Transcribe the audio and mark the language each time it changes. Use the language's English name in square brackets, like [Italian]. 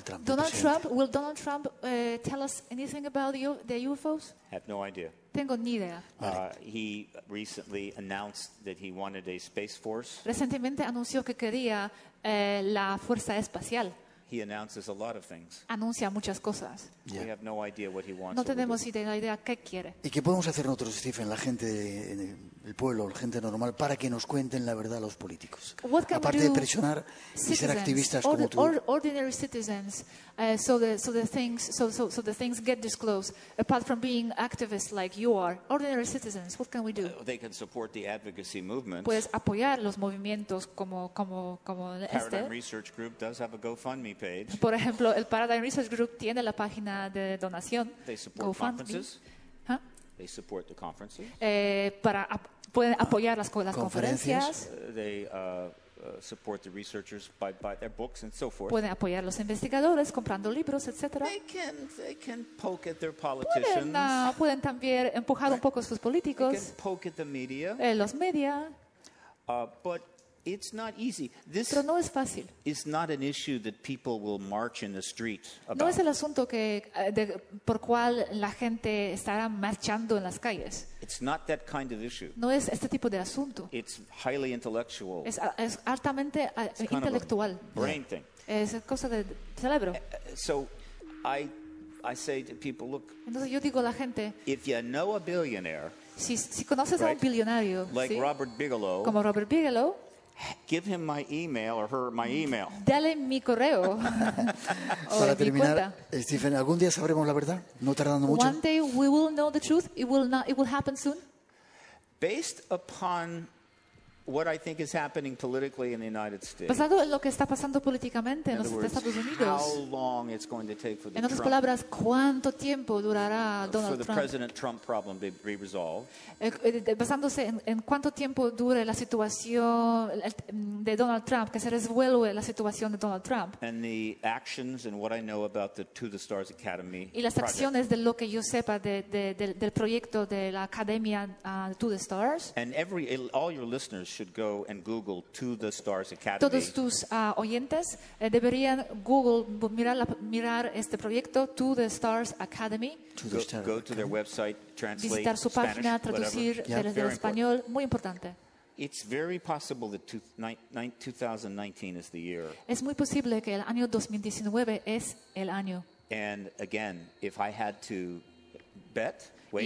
[English] Will Donald Trump tell us anything about the UFOs? Have no idea. [Spanish] Tengo ni idea. [English] He recently announced that he wanted a space force. [Spanish] Recientemente anunció que quería la fuerza espacial. [English] He announces a lot of things. [Spanish] Anuncia muchas cosas. [English] Yeah. We have no idea what he wants. [Spanish] No tenemos idea qué quiere. ¿Y qué podemos hacer nosotros, Stephen, la gente del pueblo, la gente normal, para que nos cuenten la verdad a los políticos? Aparte de presionar y ser activistas como tú. [English] Ordinary citizens, so the things get disclosed. Apart from being activists like you are, ordinary citizens, what can we do? They can support the advocacy movements. [Spanish] Puedes apoyar los movimientos como este. [English] Paradigm Research Group does have a GoFundMe page. [Spanish] Por ejemplo, el Paradigm Research Group tiene la página de donación. [English] They support GoFundMe. They support the conferences. [Spanish] Pueden apoyar las conferencias. [English] They support the researchers by their books and so forth. [Spanish] Pueden apoyar los investigadores comprando libros, etcétera. [English] They can poke at their politicians. [Spanish] Pueden también empujar un poco a sus políticos. [English] They can poke at the media. [Spanish] Los media. [English] But it's not easy. This [Spanish] pero no es fácil. [English] Is not an issue that people will march in the street about. [Spanish] No es el asunto que por cual la gente estará marchando en las calles. [English] It's not that kind of issue. [Spanish] No es este tipo de asunto. [English] It's highly intellectual. [Spanish] Es altamente [English] it's [Spanish] intelectual. [English] Kind of a brain thing. [Spanish] Es cosa de cerebro. [English] So I say to people, look. [Spanish] Entonces yo digo a la gente. [English] If you know a billionaire. [Spanish] Si conoces [English] right, [Spanish] a un billonario. [English] Like [Spanish] ¿sí? [English] Robert Bigelow. [Spanish] Como Robert Bigelow. [English] Give him my email or her my email. [Spanish] Dale mi correo. Para terminar, cuenta. Stephen, algún día sabremos la verdad, no tardando mucho. [English] One day we will know the truth. It will happen soon. Based upon What I think is happening politically in the United States. [Spanish] Basado en lo que está pasando políticamente en los Estados Unidos. [English] How long it's going to take for the [Spanish] En otras palabras, ¿cuánto tiempo durará Donald Trump? [English] For the President Trump problem to be resolved. [Spanish] Basándose en cuánto tiempo dure la situación de Donald Trump, que se resuelva la situación de Donald Trump. [English] And the actions and what I know about the To the Stars Academy. [Spanish] Y las acciones de lo que yo sepa del proyecto de la academia To the Stars. [English] And all your listeners should go and Google To the Stars Academy. [Spanish] Todos tus oyentes deberían Google mirar este proyecto To the Stars Academy. [English] Go to their website, translate Spanish. [Spanish] Visitar su [English] Spanish, [Spanish] página, traducir del español, muy importante. [English] It's very possible that 2019 is the year. [Spanish] Es muy posible que el año 2019 es el año. [English] And again, if I had to bet, wager,